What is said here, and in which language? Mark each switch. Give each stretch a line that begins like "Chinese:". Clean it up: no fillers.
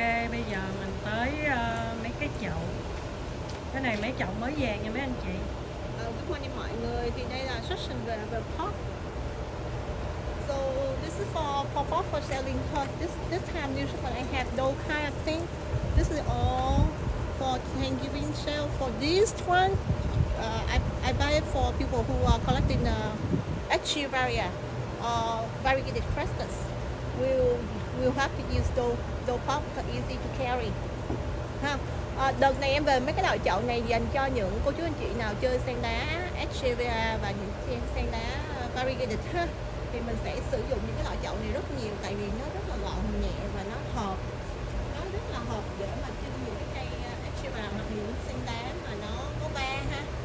Vietnamese: bây giờ mình tới mấy cái chậu. Cái này mấy chậu mới vàng nha mấy anh chị. Good morning mọi người, thì đây là section the pot.
English: So this is for selling pot. This time usually I have no kind of thing. This is all for Thanksgiving sale. For this one, I buy it for people who are collecting Echeveria variegated crestus. We'll have to use the pot for easy to carry.
Vietnamese: Đợt này em về mấy cái loại chậu này dành cho những cô chú anh chị nào chơi sen đá Echeveria và những sen đá variegated ha. Thì mình sẽ sử dụng những cái loại chậu này rất nhiều tại vì nó rất là gọn nhẹ và nó hợp. Nó rất là hợp để mà chơi những cái cây Echeveria hoặc những sen đá mà nó có ba ha.